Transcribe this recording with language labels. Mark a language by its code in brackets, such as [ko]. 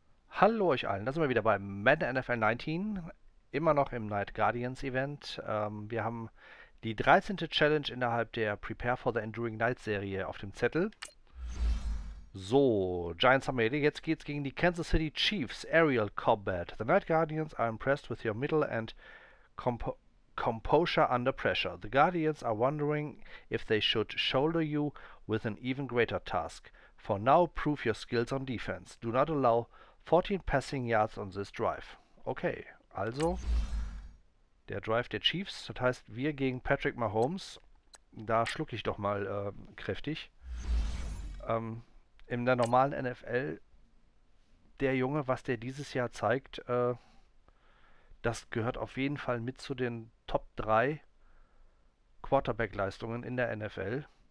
[de] Hallo euch allen, da sind wir wieder bei Madden NFL 19, immer noch im Night Guardians Event. Wir haben die 13. Challenge innerhalb der Prepare for the Enduring Night Serie auf dem Zettel. So, Giants haben wir hier. Jetzt geht's gegen die Kansas City Chiefs, Aerial Combat. [en] The Night Guardians are impressed with your mittel and composure under pressure. The Guardians are wondering if they should shoulder you with an even greater task. For now, prove your skills on defense. Do not allow 14 Passing Yards on this Drive. [de] Okay, also der Drive der Chiefs, das heißt wir gegen Patrick Mahomes. Da schlucke ich doch mal kräftig. In der normalen NFL, der Junge, was der dieses Jahr zeigt, das gehört auf jeden Fall mit zu den Top 3 Quarterback-Leistungen in der NFL.